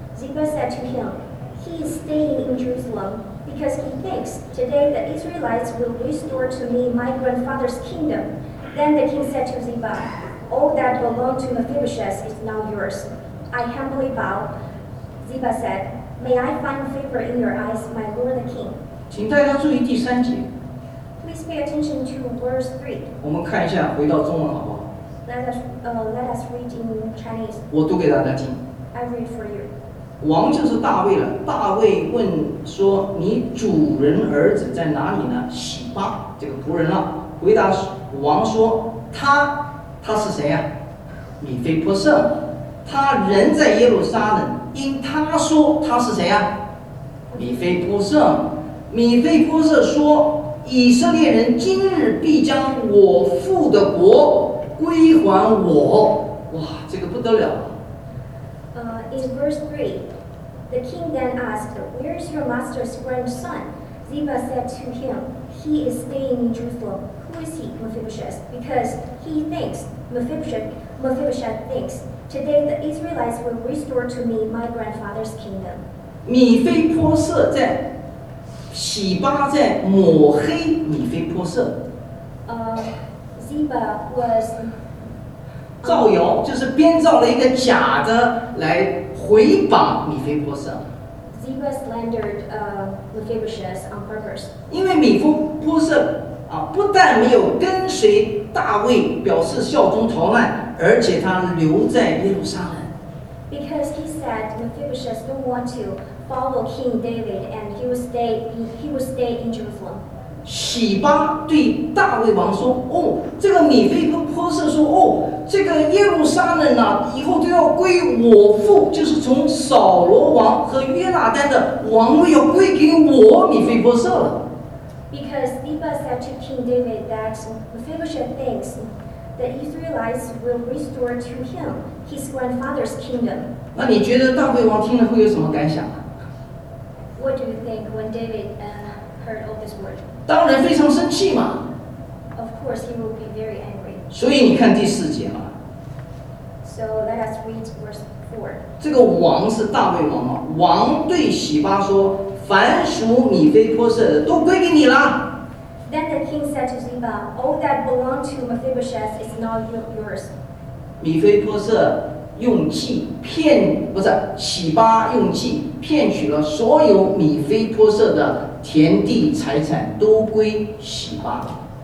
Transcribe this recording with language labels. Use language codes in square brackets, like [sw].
[en] Ziba said to him, He is staying in Jerusalem, because he thinks, Today the Israelites will restore to me my grandfather's kingdom. Then the king said to Ziba, All that belonged to Mephibosheth is now yours. I humbly bow. Ziba said, May I find favor in your eyes, my lord the king? [zh] 请大家注意第三节。 [en] Please pay attention to verse 3. [zh] 我们看一下，回到中文好不好 [en] ？Let us read in Chinese. [zh] 我读给大家听。 [en] I read for you. [zh] 王就是大卫了。大卫问说：“你主人儿子在哪里呢？” 洗巴这个仆人了，回答王说：“他是谁呀、啊？米非波设，他人在耶路撒冷。因他说他是谁呀、啊？米非波设。” 米非波设说：“以色列人今日必将我父的国归还我。” 哇，这个不得了！ [en] In verse 3, the king then asked, "Where is your master's grandson?" Ziba said to him, "He is staying in Jerusalem. Who is he, Mephibosheth? Because he thinks Mephibosheth thinks today the Israelites will restore to me my grandfather's kingdom." [zh] 米非波设在。洗巴在抹黑米非波设。 [en] Ziba was [zh] 造谣，就是编造了一个假的来回谤米非波设。 [en] Ziba slandered Mephibosheth on purpose. [zh] 因为米非波设啊，不但没有跟随大卫表示效忠逃难，而且他留在耶路撒冷。 [en] Because he said Mephibosheth don't want to. Follow King David, and he will stay in Jerusalem. [zh] 洗巴对大卫王说：“哦，这个米非波设说，哦，这个耶路撒冷啊，以后都要归我父，就是从扫罗王和约拿单的王位要归给我米非波设了。” [en] Because Ziba said to King David that Mephibosheth thinks the Israelites will restore to him his grandfather's kingdom. [zh] 那你觉得大卫王听了会有什么感想啊？ [en] What do you think when David heard all this word? [zh] 当然非常生气嘛。 [en] Of course, he will be very angry. [zh] 所以你看第四节嘛。 [en] So let us read verse 4. [zh] 这个王是大卫王嘛？王对洗巴说：“凡属米非波设的都归给你了。” [en] Then the king said to Ziba, "All that belong to Mephibosheth is now yours." [zh] 米非波设。用计骗不是洗巴用计骗取了所有米非波设的田地财产都归洗巴了。